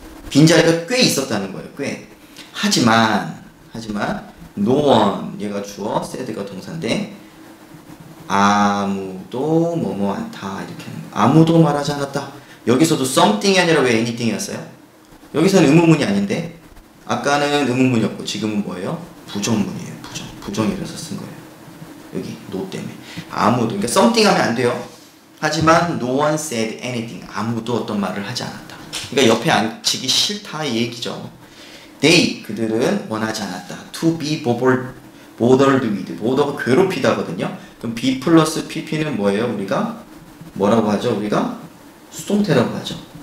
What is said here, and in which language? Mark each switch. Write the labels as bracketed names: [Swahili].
[Korean] 빈 자리가 꽤 있었다는 거예요, 꽤. 하지만, no one, 얘가 주어, said가 동사인데, 아무도 뭐뭐 않다 이렇게 하는 거. 아무도 말하지 않았다. 여기서도 something이 아니라 왜 anything이었어요? 여기서는 의문문이 아닌데 아까는 의문문이었고 지금은 뭐예요? 부정문이에요. 부정. 부정이라서 쓴 거예요. 여기 no 때문에 아무도. 그러니까 something 하면 안 돼요. 하지만 [English] no one said anything. [Korean] 아무도 어떤 말을 하지 않았다. 그러니까 옆에 앉히기 싫다 이 얘기죠. [English] They [Korean] 그들은 원하지 않았다. [English] To be bothered with. [Korean] bother가 괴롭히다거든요. 그럼 be 플러스 pp는 뭐예요? 우리가 뭐라고 하죠? 우리가 수동태라고 하죠.